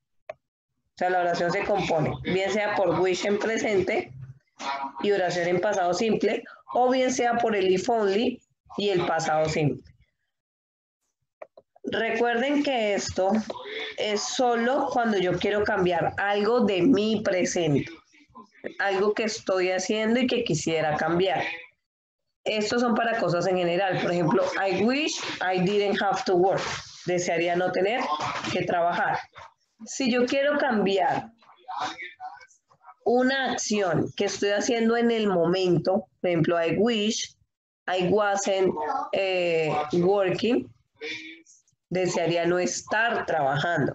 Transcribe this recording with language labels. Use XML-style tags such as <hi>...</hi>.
<es>O sea, la oración se compone, bien sea por wish en presente y oración en pasado simple, o bien sea por el if only y el pasado simple. Recuerden que esto es solo cuando yo quiero cambiar algo de mi presente. Algo que estoy haciendo y que quisiera cambiar. Estos son para cosas en general. Por ejemplo,</es> <en>I wish I didn't have to work.</en> <es>Desearía no tener que trabajar. Si yo quiero cambiar una acción que estoy haciendo en el momento, por ejemplo,</es> <en>I wish I wasn't working,</en> <es>desearía no estar trabajando.</es>